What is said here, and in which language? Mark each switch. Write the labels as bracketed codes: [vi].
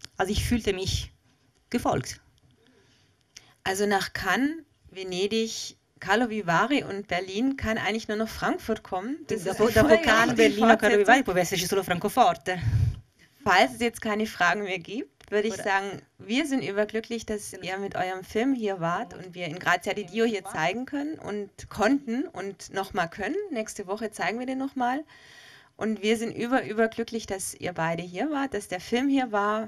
[de] Also ich fühlte mich gefolgt. Also nach Cannes, Venedig, Carlo Vivari und Berlin kann eigentlich nur noch Frankfurt kommen. [it] Dopo Cannes, Berlino, Carlo Vivari, può esserci solo Francoforte. [de] Falls es jetzt keine Fragen mehr gibt, würde ich sagen, wir sind überglücklich, dass ihr mit eurem Film hier wart und wir in Grazia di Dio hier zeigen können und konnten und nochmal können. Nächste Woche zeigen wir den nochmal. Und wir sind überglücklich, dass ihr beide hier wart, dass der Film hier war.